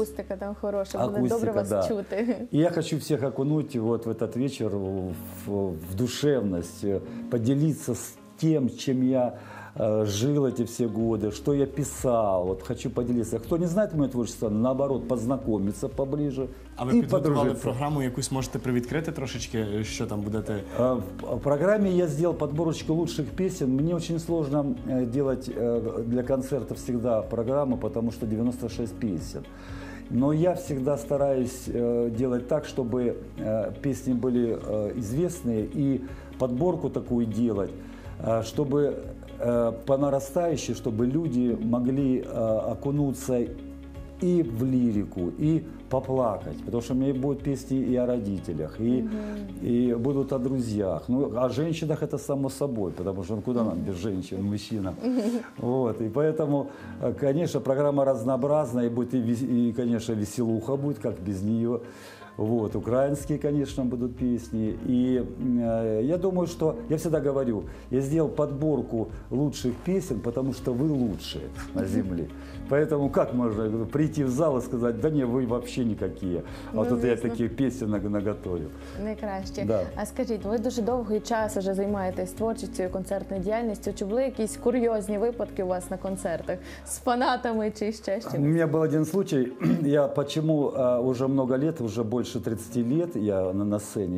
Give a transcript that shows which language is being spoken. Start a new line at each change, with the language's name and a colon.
Russian: Акустика там хорошая, акустика, будет
Ukrainian: добре вас чути.
Russian: И я хочу всех окунуть вот в этот вечер в душевность, поделиться с тем, чем я жил эти все годы, что я писал. Вот хочу поделиться. Кто не знает моє творчество, наоборот, познакомиться поближе.
Ukrainian: А ви підготували програму якусь, можете привідкрити трошечки, що там будете? В програмі я зробив підборочку лучших пісень. Мені дуже складно робити для концертів завжди програму, тому що 96 пісень.
Russian: Но я всегда стараюсь делать так, чтобы песни были известные и подборку такую делать, чтобы по нарастающей, чтобы люди могли окунуться и в лирику, и поплакать, потому что у меня будут песни и о родителях, и, и будут о друзьях. Ну, о женщинах это само собой, потому что куда нам без женщин, мужчинам. Вот, и поэтому, конечно, программа разнообразная, и будет, и, конечно, веселуха будет, как без нее. Вот, украинские, конечно, будут песни. И я думаю, что, я всегда говорю, я сделал подборку лучших песен, потому что вы лучшие на земле. Поэтому как можно прийти в зал и сказать, да не, вы вообще никакие.
Ukrainian: А ну, тут звісно. Я такі пісні наготовив. Найкраще. Да. А скажіть, ви дуже довгий час вже займаєтесь творчістю, концертною діяльністю. Чи були якісь курйозні випадки у вас на концертах з фанатами чи ще щось? У мене був один случай.
Russian: Я почему
Ukrainian: вже багато років, вже більше 30 років я на сцені.